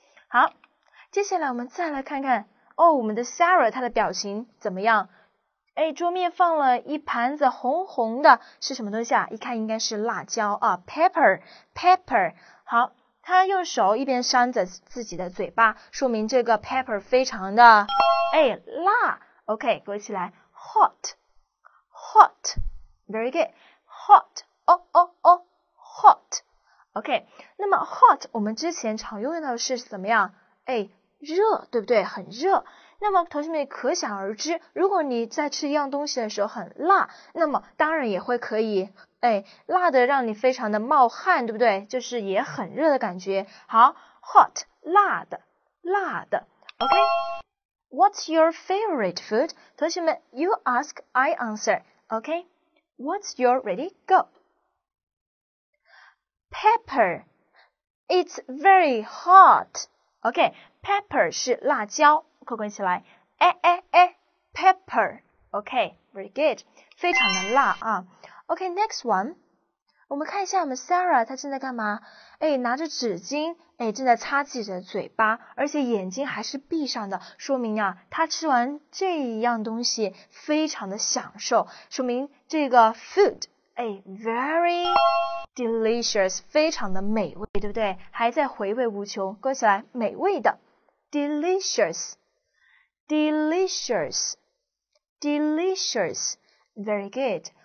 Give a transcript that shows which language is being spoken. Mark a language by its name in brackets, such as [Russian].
[Chinese] 好，接下来我们再来看看，哦，我们的 Sarah 她的表情怎么样？哎，桌面放了一盘子红红的，是什么东西啊？一看应该是辣椒啊 ，pepper pepper。好，他用手一边扇着自己的嘴巴，说明这个 pepper 非常的哎辣。 [English] OK， 勾起来 ，hot hot， very good， hot， 哦哦哦 ，hot。 [Chinese] OK， 那么 hot 我们之前常用到的是怎么样？哎，热，对不对？很热。那么同学们可想而知，如果你在吃一样东西的时候很辣，那么当然也会可以哎辣的让你非常的冒汗，对不对？就是也很热的感觉。好， hot， 辣的，辣的。 [English] OK， What's your favorite food？ [Chinese] 同学们 [English] you ask I answer。 OK， What's your ready go？ Pepper， It's very hot。 [Chinese] OK， pepper 是辣椒，扣关起来，哎哎哎 ，pepper， OK， very good， 非常的辣啊。 OK， next one， 我们看一下我们 Sarah 她正在干嘛？哎，拿着纸巾，哎，正在擦自己的嘴巴，而且眼睛还是闭上的，说明啊，她吃完这一样东西非常的享受，说明这个 food， 哎 ， [English] very delicious， [Chinese] 非常的美味，对不对？还在回味无穷，扣起来，美味的 ，delicious。 [English] Delicious, delicious, very good.